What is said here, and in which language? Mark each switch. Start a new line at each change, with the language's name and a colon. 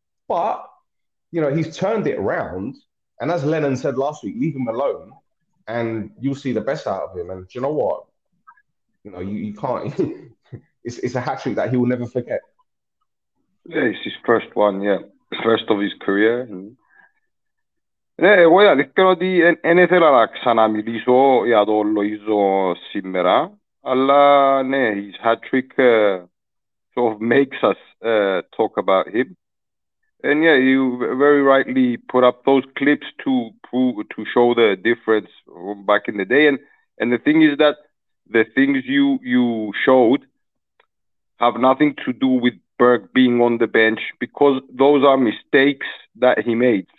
English: But, you know, he's turned it around. And as Lennon said last week, leave him alone and you'll see the best out of him. And do you know what? You know, you can't. it's a hat trick that he will never forget. Yeah, it's his first one, yeah. First of his career.
Greek: Εγώ αλήθεια ότι δεν ήθελα να ξαναμιλήσω για τον Λοίζο σήμερα. Αλλά, ναι,
English: his hat trick sort of makes us talk about him. And yeah, you very rightly put up those clips to show the difference from back in the day. And the thing is that the things you showed have nothing to do with Berg being on the bench because those are mistakes that he made.